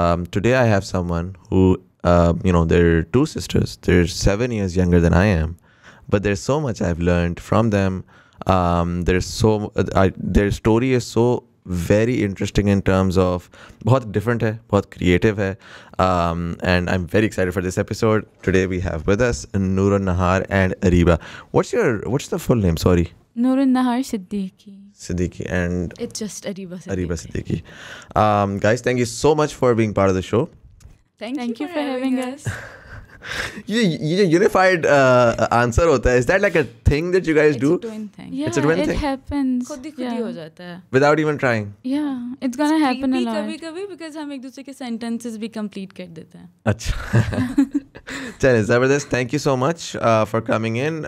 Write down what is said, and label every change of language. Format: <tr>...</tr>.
<en>Today I have someone who you know their two sisters, they're seven years younger than I am, but there so much I have learned from them. Their story is so very interesting in terms of,</en> <ur>بہت different ہے، بہت creative ہے.</ur> <en>And I am very excited for this episode. Today we have with us Noor Ulnahar and Areeba. What's your what's the full name? Sorry, Noor Ulnahar Siddiqui. Siddiqui and it's just Areeba Siddiqui. Areeba Siddiqui. Guys, thank you so much for being part of the show. Thank you for having us.</en> <ur>یہ جو unified answer ہوتا ہے،</ur> <en>Is that like a thing that you guys do? It's a twin thing. It happens</en> <ur>خود ہی خود ہی ہو جاتا ہے</ur> <en>Without even trying. Yeah it's gonna happen a lot</en> <ur>کبھی کبھی، بیکاز ہم ایک دوسرے کے سینٹنسز بھی کمپلیٹ کر دیتے ہیں. اچھا، چلیں، زبردست.</ur> <en>Thank you so much for coming in.</en>